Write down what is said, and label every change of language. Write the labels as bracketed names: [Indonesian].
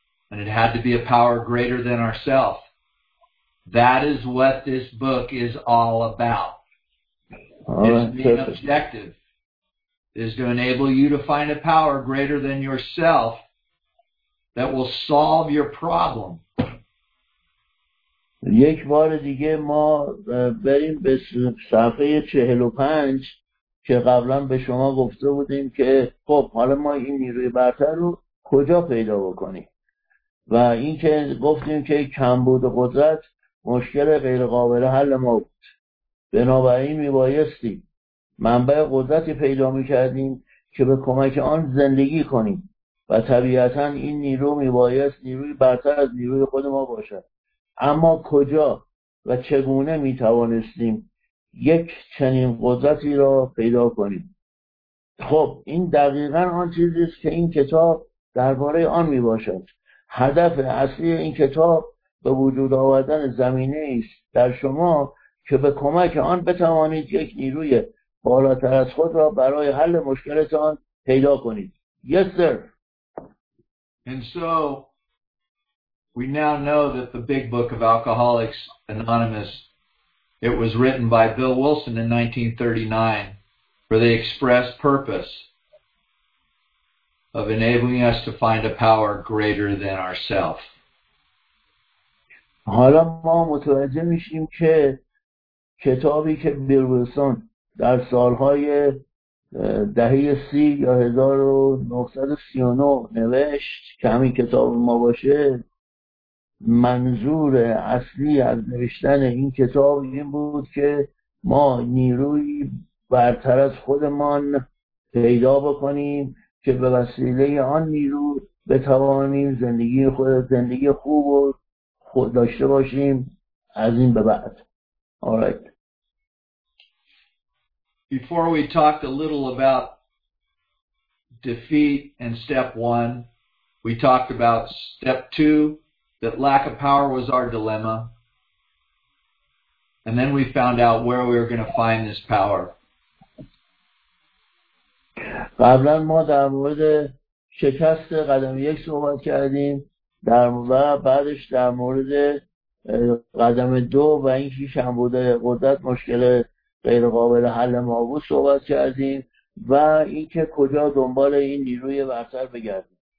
[English] And it had to be a power greater than ourselves. That is what this book is all about. Its main objective is to enable you to find a power greater than yourself that will solve your problem. [Persian] یک بار دیگه ما بریم به صفحه 45 که قبلا به شما گفته بودیم که خب حالا ما این نیروی برتر رو کجا پیدا بکنیم، و این که گفتیم که کمبود قدرت مشکل غیر قابل حل ما بود، بنابراین میبایستیم منبع قدرتی پیدا میکردیم که به کمک آن زندگی کنیم، و طبیعتا این نیرو میبایست نیروی برتر از نیروی خود ما باشد. اما کجا و چگونه میتوانستیم یک چنین قدرتی را پیدا کنیم؟ خب این دقیقا آن چیزی است که این کتاب درباره آن میباشد. هدف اصلی این کتاب به وجود آوردن زمینه است در شما که به کمک آن بتوانید یک نیروی بالاتر از خود را برای حل مشکلتان پیدا کنید. [English] Yes, sir. And so we now know that the Big Book of Alcoholics Anonymous, it was written by Bill Wilson in 1939 for the express purpose of enabling us to find a power greater than ourselves. [Persian] حالا ما متوجه میشیم که کتابی که بیل ویلسون در سالهای دهه 30 یا 1939 نوشت که همین کتاب ما باشه، منظور اصلی از نوشتن این کتاب این بود که ما نیروی برتر از خودمان پیدا بکنیم که به وسیله آن نیرو بتوانیم زندگی خود زندگی خوب و خود داشته باشیم از این به بعد. [English] Alright. Before we talked a little about defeat and step one, we talked about step two, that lack of power was our dilemma. And then we found out where we were going to find this power. [Persian] قبلا ما در مورد شکست قدم یک صحبت کردیم، در و بعدش در مورد قدم دو و این شیش هم بوده قدرت مشکل غیر قابل حل ما بود صحبت کردیم، و اینکه کجا دنبال این نیروی برتر بگردیم.